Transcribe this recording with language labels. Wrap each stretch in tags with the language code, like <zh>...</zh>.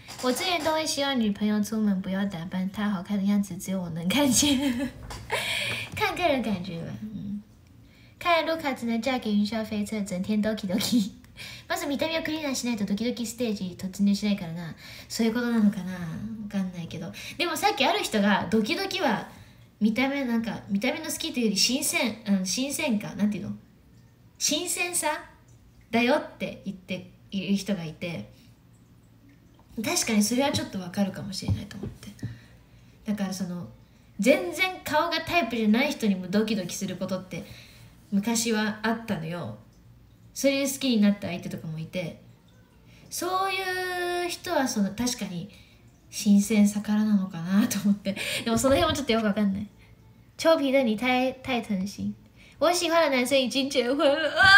<zh>我之前都会希望女朋友出门不要打扮太好看的样子，只有我能看见。看个人感觉吧。看来 Luca 只能嫁给云霄飞车，整天 doki doki。</zh> <ja>まず見た目をクリーナーしないとドキドキステージ突入しないからな。そういうことなのかな。わかんないけど。でもさっきある人がドキドキは見た目なんか見た目の好きというより新鮮かなんていうの。新鮮さだよって言って。いう人がいて、確かにそれはちょっとわかるかもしれないと思って。だからその全然顔がタイプじゃない人にもドキドキすることって昔はあったのよ。それで好きになった相手とかもいて、そういう人はその確かに新鮮さからなのかなと思って。でもその辺もちょっとよくわかんない。</ja> <zh>超皮的你太疼心。我喜欢的男生已经结婚了。</zh>